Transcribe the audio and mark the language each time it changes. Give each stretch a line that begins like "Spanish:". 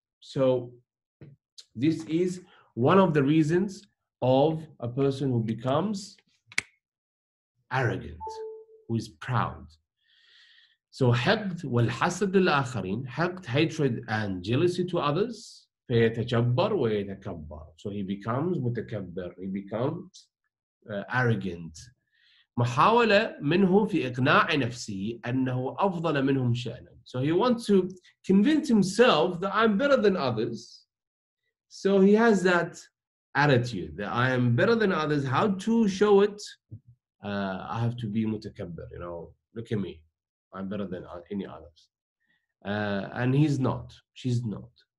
English: So this is one of the reasons of a person who becomes arrogant, who is proud. So
Arabic: حقد والحسد للآخرين, حقد,
English: hatred and jealousy to others,
Arabic: فيتجبر ويتكبر.
English: So he becomes متكبر, he becomes arrogant.
Arabic: محاولة منه في إقناع نفسه أنه أفضل منهم شأنا.
English: So he wants to convince himself that I'm better than others. So he has that attitude that I am better than others. How to show it? I have to be متكبر. You know, look at me. I'm better than any others. And he's not. She's not.